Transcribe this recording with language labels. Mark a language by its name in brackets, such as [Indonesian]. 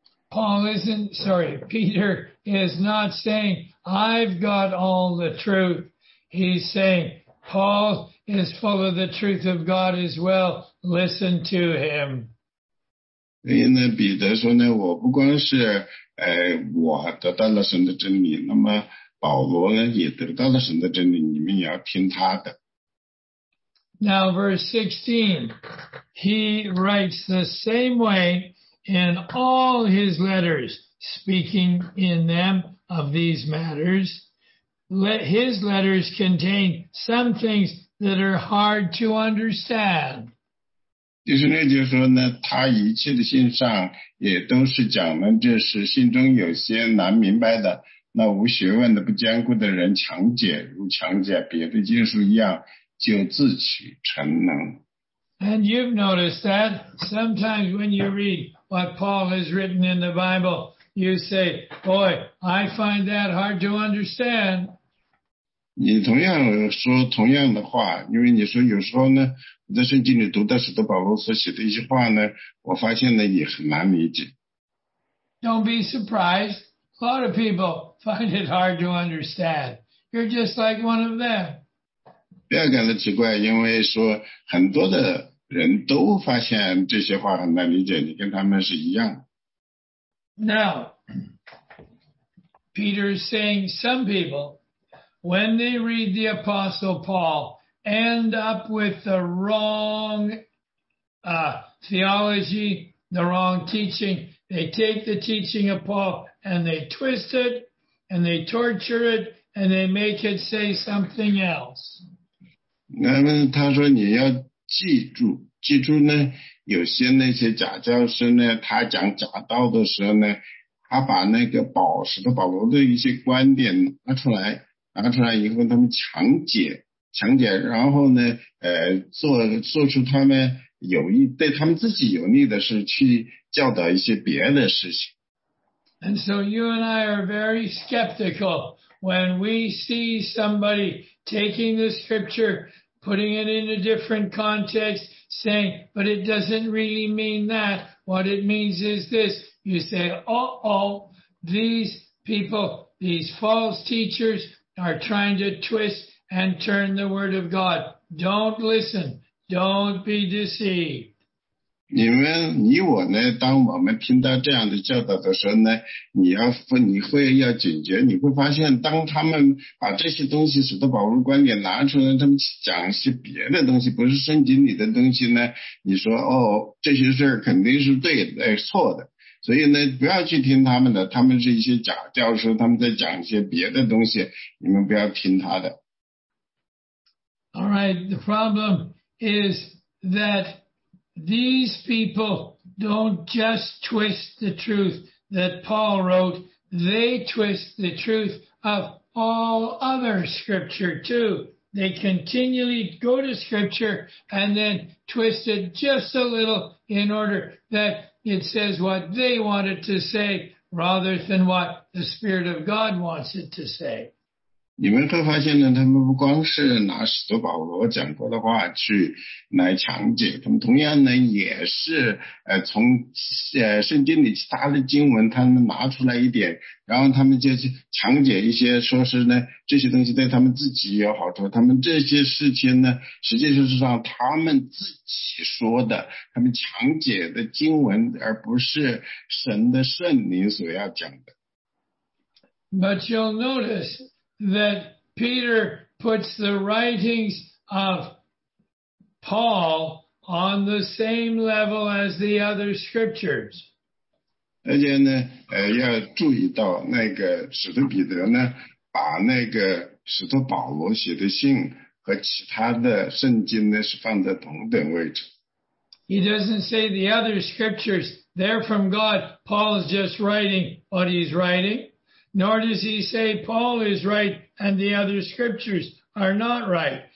[English] Peter is not saying, I've got all the truth. He's saying, Paul is full of the truth of God as well. Listen to him. [Chinese] 所以呢彼得说呢，我不光是我得到了神的真理，那么保罗也得到了神的真理，你们也要听他的。 [English] Now verse 16, he writes the same way in all his letters, speaking in them of these matters. Let his letters contain some things that are hard to understand. [Chinese] 第十六节说呢，他一切的信上也都是讲了，这是信中有些难明白的。那无学问的不坚固的人强解如强解别的经书一样，就自取沉能。 [English] And you've noticed that sometimes when you read what Paul has written in the Bible, you say, boy, I find that hard to understand. [Chinese] 你同样说同样的话，因为你说有时候呢，在圣经里读到使徒保罗所写的一些话呢，我发现呢也很难理解。 [English] Don't be surprised. A lot of people find it hard to understand. You're just like one of them. [Chinese] 不要感到奇怪，因为说很多的人都发现这些话很难理解，你跟他们是一样。 [English] Now, Peter is saying some people, when they read the Apostle Paul, end up with the wrong theology, the wrong teaching. They take the teaching of Paul. And they twist it, and they torture it, and they make it say something else. [Chinese] 那么他说你要记住，记住呢，有些那些假教师呢，他讲假道的时候呢，他把那个保罗的一些观点拿出来以后，他们强解，然后呢，做出他们有益对他们自己有利的事，去教导一些别的事情。 [English] And so you and I are very skeptical when we see somebody taking the scripture, putting it in a different context, saying, but it doesn't really mean that. What it means is this. You say, uh-oh, these people, these false teachers are trying to twist and turn the word of God. Don't listen. Don't be deceived. [Chinese] 你们你我呢，当我们听到这样的教导的时候呢，你会要警觉，你会发现当他们把这些东西使徒保罗观点拿出来，他们讲一些别的东西，不是圣经里的东西呢，你说哦，这些事儿肯定是对的，错的。所以呢，不要去听他们的，他们是一些假教师，他们在讲一些别的东西，你们不要听他的。 [English] All right, the problem is that. These people don't just twist the truth that Paul wrote. They twist the truth of all other scripture too. They continually go to scripture and then twist it just a little in order that it says what they want it to say rather than what the Spirit of God wants it to say. [Chinese] 你们会发现呢，他们不光是拿使徒保罗讲过的话去来强解，他们同样呢也是从圣经里其他的经文他们拿出来一点，然后他们就去强解一些，说是呢这些东西对他们自己有好处，他们这些事情呢实际上是让他们自己说的，他们强解的经文而不是神的圣灵所要讲的。 [English] But you'll noticeThat Peter puts the writings of Paul on the same level as the other scriptures. [Chinese] 而且呢，要注意到那个使徒彼得呢，把那个使徒保罗写的信和其他的圣经呢是放在同等位置。 [English] He doesn't say the other scriptures, they're from God. Paul is just writing what he's writing. Nor does he say Paul is right and the other scriptures are not right.